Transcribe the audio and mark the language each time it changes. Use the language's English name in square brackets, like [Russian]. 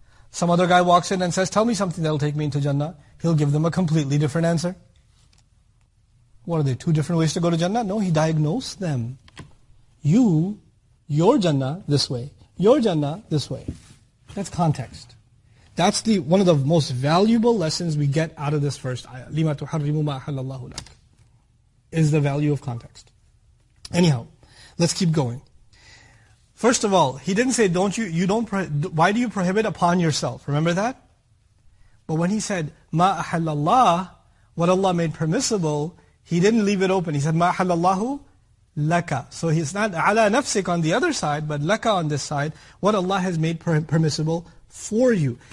[English] Some other guy walks in and says, tell me something that will take me into Jannah. He'll give them a completely different answer. What are they, two different ways to go to Jannah? No, he diagnosed them. You, your Jannah this way. Your Jannah this way. That's context. That's the one of the most valuable lessons we get out of this first ayah. [Arabic] لِمَا تُحَرِّمُ مَا أَحَلَّ اللَّهُ لَكَ [English] is the value of context. Anyhow, let's keep going. First of all, he didn't say, why do you prohibit upon yourself? Remember that? But when he said, [Arabic] مَا أَحَلَّ اللَّهُ, [English] what Allah made permissible, He didn't leave it open. He said, [Arabic] مَا أَحَلَّ اللَّهُ لَكَ. [English] So it's not [Arabic] عَلَى نَفْسِكَ [English] on the other side, but لَكَ on this side, what Allah has made permissible for you.